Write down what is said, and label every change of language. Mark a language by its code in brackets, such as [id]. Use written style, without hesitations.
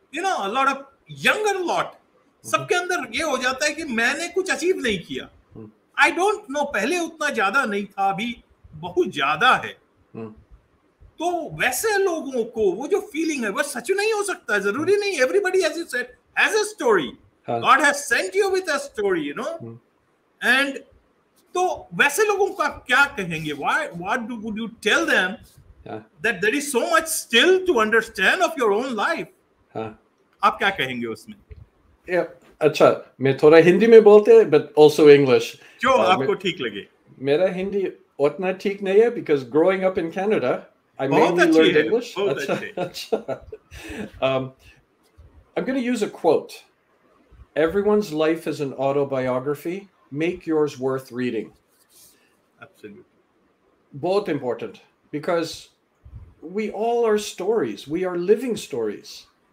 [en] You know, a lot of younger lot. [hi] सबके अंदर ये हो जाता है कि मैंने कुछ अचीव नहीं किया. [en] I don't know. [hi] पहले उतना ज्यादा नहीं था, अभी बहुत ज्यादा है. तो वैसे लोगों को वो जो फीलिंग है वो सच नहीं हो सकता, जरूरी नहीं. [en] Everybody, as you said, has a story. God has sent you with a story, you know. [hi] And तो वैसे लोगों का क्या कहेंगे? [en] What would you tell them? That there is so much still to understand of your own life. [hi] आप क्या कहेंगे उसमें? अच्छा, मैं थोड़ा हिंदी में बोलते हैं, [en] but also English. [hi] जो आपको ठीक लगे. मेरा हिंदी उतना ठीक नहीं है, [en] because growing up in Canada, I mainly learned English. [hi] बहुत अच्छा. [en] I'm going to use a quote. Everyone's life is an autobiography. Make yours worth reading. Absolutely. Both important. Because we all are stories. We are living stories.